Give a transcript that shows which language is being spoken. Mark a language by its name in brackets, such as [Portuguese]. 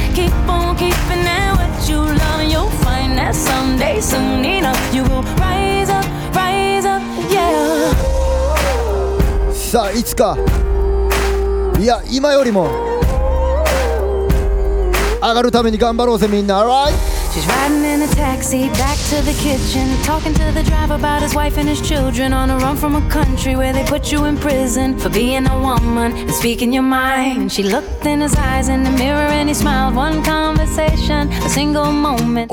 [English] Keep on keeping at what you love, and you'll find that someday, soon enough, you will rise up, rise up, yeah. [Japanese] さあ、いつか、いや、今よりも上がるために頑張ろうぜ、みんな。 [English] All right? She's riding in a taxi back to the kitchen, talking to the driver about his wife and his children, on a run from a country where they put you in prison for being a woman and speaking your mind. She looked in his eyes in the mirror and he smiled. One conversation, a single moment.